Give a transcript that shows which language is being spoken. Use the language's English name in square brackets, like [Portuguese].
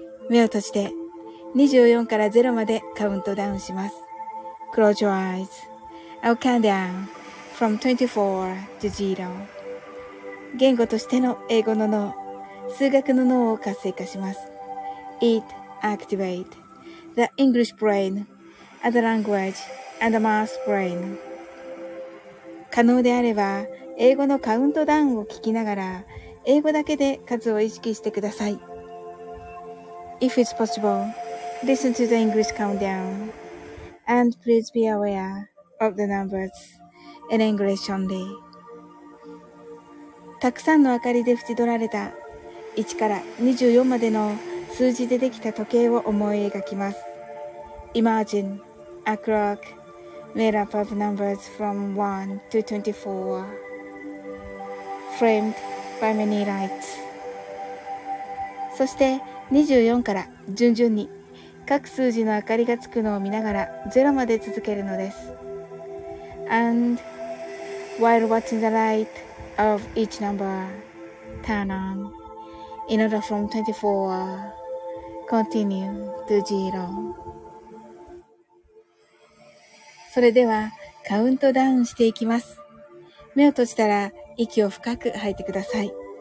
[Japanese] 目を閉じて24から0までカウントダウンします。 [English] Close your eyes. I'll count down from 24 to 0. [Japanese] 言語としての英語の脳、数学の脳を活性化します。 [English] It activates the English brain and the language and the math brain. [Japanese] 可能であれば英語のカウントダウンを聞きながら英語だけで数を意識してください。 [English] If it's possible, listen to the English countdown and please be aware of the numbers in English only. [Japanese] たくさんの明かりで縁取られた1から24までの数字でできた時計を思い描きます。 [English] Imagine a clock made up of numbers from 1 to 24 framed. By many lights. [Japanese] そして24から順々に各数字の明かりがつくのを見ながら0まで続けるのです。 [English] And while watching the light of each number turn on in order from 24, continue to 0. [Japanese] それではカウントダウンしていきます。目を閉じたら息を深く吐いてください。